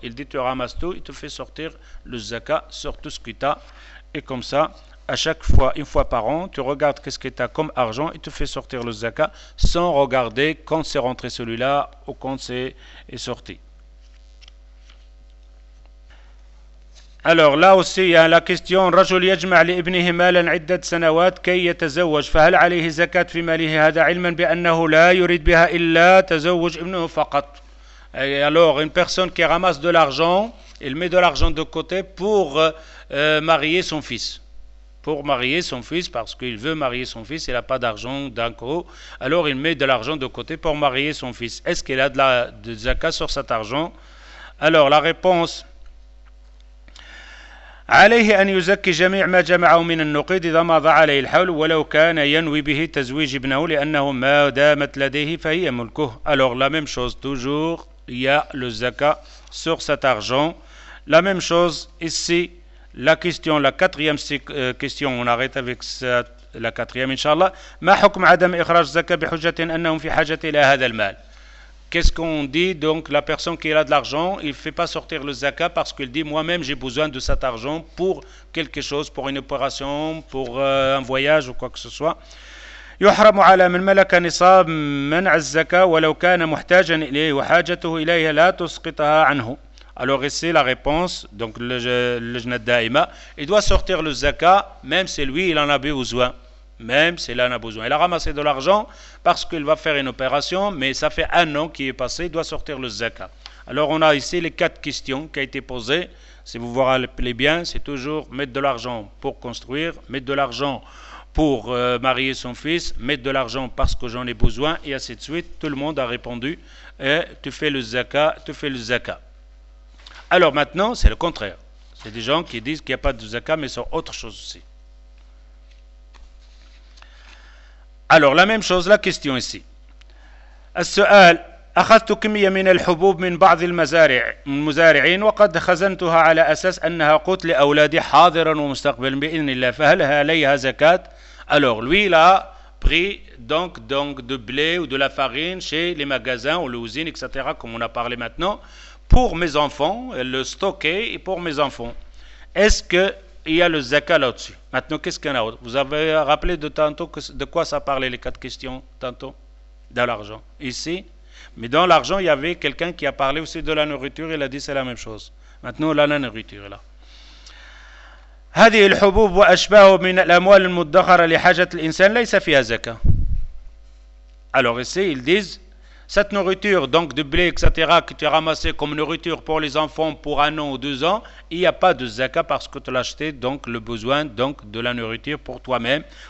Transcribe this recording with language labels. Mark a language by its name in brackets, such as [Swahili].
[French] Il dit tu ramasses tout, il te fait sortir le zakat sur tout ce qu'il a, et comme ça. À chaque fois, une fois par an, tu regardes qu'est-ce que tu as comme argent et tu fais sortir le zaka sans regarder quand c'est rentré celui-là ou quand c'est est sorti. Alors là aussi, il y a la question. [Arabic] رجل يجمع لابنه مالا عدة سنوات كي يتزوج فهل عليه زكاة في ماله هذا علما بأنه لا يريد بها إلا تزوج ابنه فقط. [French] Alors, une personne qui ramasse de l'argent, il met de l'argent de côté pour marier son fils. Pour marier son fils, parce qu'il veut marier son fils, il n'a pas d'argent d'un coup, alors il met de l'argent de côté pour marier son fils. Est-ce qu'il a de zaka sur cet argent? Alors la réponse. [Arabic] عليه أن يزكي جميع ما جمعه من النقود إذا مضى عليه الحول ولو كان ينوي به تزويج ابنه لأنه ما دامت لديه فهي ملكه. [French] Alors la même chose, toujours il y a le zaka sur cet argent. La même chose ici. La question, la quatrième question, on arrête avec la quatrième, Inch'Allah. [Arabic] ما حكم عدم إخراج زكاة بحجة أنهم في حاجة إلى هذا المال? [French] Qu'est-ce qu'on dit? Donc, la personne qui a de l'argent, il ne fait pas sortir le zaka parce qu'il dit, moi-même, j'ai besoin de cet argent pour quelque chose, pour une opération, pour un voyage ou quoi que ce soit. [Arabic] يحرم على من ملك نصاب منع الزكاة ولو كان محتاجا إليه وحاجته إليها لا تسقطها عنه. [French] Alors, ici, la réponse, donc le jeûne d'aïma, il doit sortir le zakat, même si lui, il en a besoin. Même s'il en a besoin. Il a ramassé de l'argent parce qu'il va faire une opération, mais ça fait un an qui est passé, il doit sortir le zakat. Alors, on a ici les quatre questions qui ont été posées. Si vous vous rappelez bien, c'est toujours mettre de l'argent pour construire, mettre de l'argent pour marier son fils, mettre de l'argent parce que j'en ai besoin, et ainsi de suite. Tout le monde a répondu, et tu fais le zakat, tu fais le zakat. Alors maintenant, c'est le contraire. C'est des gens qui disent qu'il n'y a pas de zakat, mais sur autre chose aussi. Alors la même chose, la question ici. [Arabic] السؤال أخذت كمية من الحبوب من بعض المزارعين وقد خزنتها على أساس أنها قوت لأولادي حاضرا ومستقبلا بإذن الله فهل عليها زكاة؟ [French] Alors lui il a pris donc de blé ou de la farine chez les magasins ou les usines etc. comme on a parlé maintenant pour mes enfants le stocker et pour mes enfants. Est-ce que il y a le zakat là-dessus? Maintenant qu'est-ce qu'il y en a autre? Vous avez rappelé de tantôt de quoi ça parlait les quatre questions tantôt de l'argent ici. Mais dans l'argent, il y avait quelqu'un qui a parlé aussi de la nourriture, il a dit c'est la même chose. Maintenant, là, la nourriture là. [Arabic] هذه الحبوب واشباهه من الاموال المدخره لحاجه الانسان ليس فيها زكاه. [French] Alors ici, ils disent cette nourriture, donc du blé, etc., que tu as ramassé comme nourriture pour les enfants pour un an ou deux ans, il n'y a pas de zakat parce que tu l'as acheté, donc le besoin donc, de la nourriture pour toi-même.